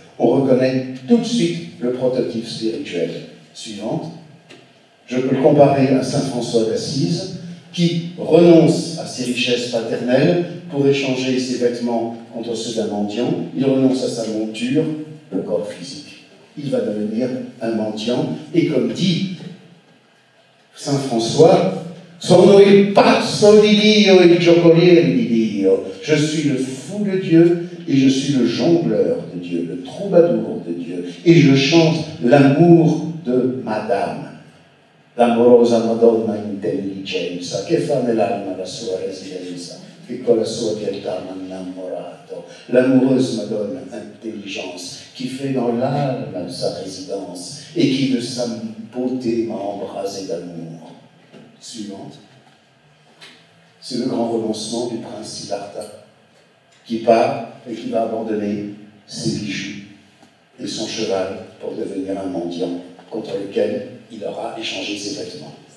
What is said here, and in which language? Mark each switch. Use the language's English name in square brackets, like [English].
[French] On reconnaît tout de suite le prototype spirituel. Suivante. Je peux le comparer à saint François d'Assise, qui renonce à ses richesses paternelles pour échanger ses vêtements contre ceux d'un mendiant. Il renonce à sa monture, le corps physique. Il va devenir un mendiant. Et comme dit saint François, [Italian] Sono il pazzo di Dio, il giocoliere di Dio. [French] Je suis le fou de Dieu et je suis le jongleur de Dieu, le troubadour de Dieu. Et je chante l'amour de Madame. [Italian] L'amorosa Madonna intelligenza, che fa nell'alma la sua residenza, che con la sua pietà m'ha innamorato. [French] L'amoureuse Madonna intelligence, qui fait dans l'alma sa résidence et qui de sa beauté m'a embrasé d'amour. Suivante, c'est le grand renoncement du prince Siddhartha qui part et qui va abandonner ses bijoux et son cheval pour devenir un mendiant contre lequel il aura échangé ses vêtements.